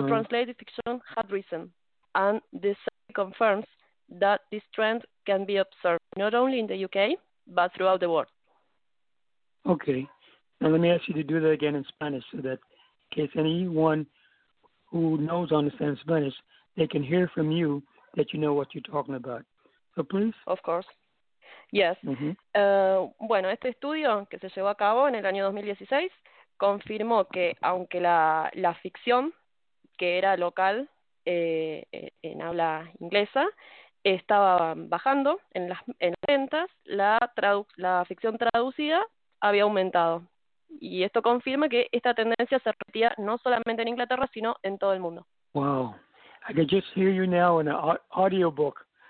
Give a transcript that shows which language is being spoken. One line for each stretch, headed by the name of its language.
English: for translated fiction had risen. And this confirms that this trend can be observed not only in the UK, but throughout the world. Okay. Now let me ask you to do that again in Spanish so that in case anyone who knows or understands Spanish, they can hear from you that you know what you're talking about. So please. Of course. Yes. Mm-hmm.
Spanish: Bueno, este estudio que se llevó a cabo en el año 2016 confirmó que aunque la ficción que era local en habla inglesa estaba bajando en las ventas, la ficción traducida había aumentado. Y esto confirma que esta tendencia se repetía no solamente en Inglaterra, sino en todo el mundo.
English: Wow. I can just hear you now in an audiobook.